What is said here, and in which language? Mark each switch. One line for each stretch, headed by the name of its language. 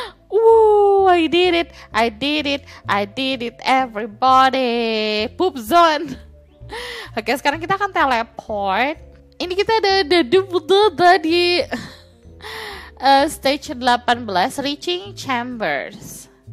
English: Woo, I did it, I did it, I did it everybody. Poop zone.
Indonesian: Oke, sekarang kita akan teleport. Ini kita ada di...
English: stage 18, reaching chambers.